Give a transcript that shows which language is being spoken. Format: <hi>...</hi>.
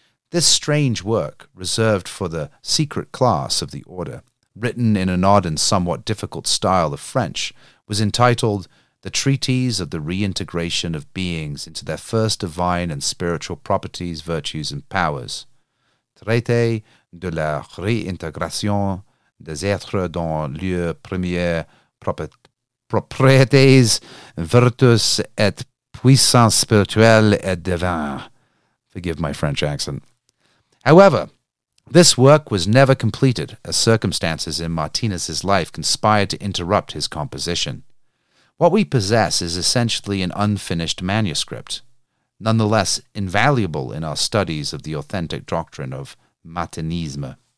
<en>This strange work, reserved for the secret class of the order, written in an odd and somewhat difficult style of French, was entitled The Treatise of the Reintegration of Beings into Their First Divine and Spiritual Properties, Virtues, and Powers.</en> <fr>Traité de la réintégration des êtres dans leur première propriétés, vertus et puissance spirituelle et divine.</fr> <en>Forgive my French accent. However, this work was never completed as circumstances in Martinus's life conspired to interrupt his composition. What we possess is essentially an unfinished manuscript, nonetheless invaluable in our studies of the authentic doctrine of Martinisme.</en>